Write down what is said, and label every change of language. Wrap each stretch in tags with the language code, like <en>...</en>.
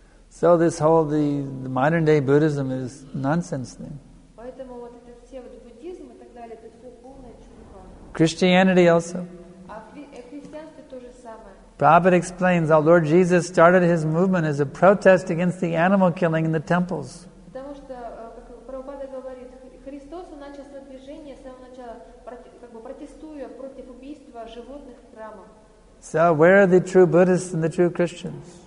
<en>So this whole the modern day Buddhism is nonsense then.</en> <ru>Поэтому вот это все вот буддизм и так далее, это все полная чушь.</ru> <en>Christianity also.</en> <ru>А в христианстве то же самое.</ru> <en>Prabhupada explains how Lord Jesus started his movement as a protest against the animal killing in the temples.</en> <ru>Потому что, как Прабхупада говорит, Христос начал свое движение с самого начала, как бы протестуя против убийства животных в храмах.</ru> <en>So where are the true Buddhists and the true Christians?</en>